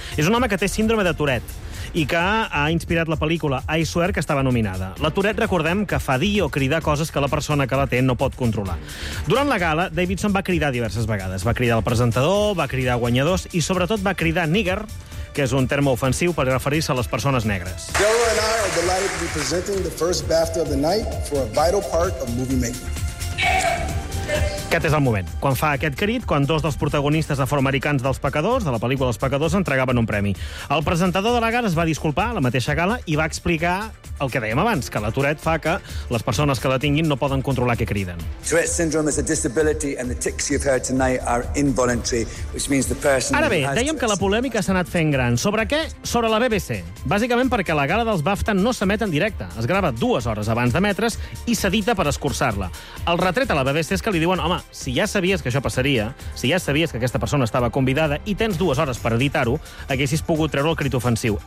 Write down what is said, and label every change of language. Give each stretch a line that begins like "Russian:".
Catalan: És un home que té síndrome de Tourette i que ha inspirat la pel·lícula I Swear, que estava nominada. La Tourette, recordem, que fa dir o cridar coses que la persona que la té no pot controlar. Durant la gala, Davidson va cridar diverses vegades. Va cridar el presentador, va cridar guanyadors i, sobretot, va cridar nigger, que és un terme ofensiu per referir-se a les persones negres.
English: Gelo and I are delighted to be presenting the first BAFTA of the night for a vital part of movie making.
Catalan: Aquest és el moment, quan fa aquest crit, quan dos dels protagonistes afroamericans dels Pecadors, de la pel·lícula Els Pecadors, entregaven un premi. El presentador de la gala es va disculpar a la mateixa gala i va explicar el que dèiem abans, que la Tourette fa que les persones que la tinguin no poden controlar què criden.
English: Tourette syndrome is a disability and the tics you've heard tonight are involuntary, which means the person...
Catalan: Ara bé, dèiem que la polèmica s'ha anat fent gran. Sobre què? Sobre la BBC. Bàsicament perquè la gala dels BAFTA no s'emet en directe. Es grava dues hores abans d'emetre's i s'edita per escurçar-la. El retret a la BBC és que li diuen, home, si ja sabies que això passaria, si ja sabies que aquesta persona estava convidada i tens dues hores per editar-ho, haguessis pogut treure el crit ofensiu.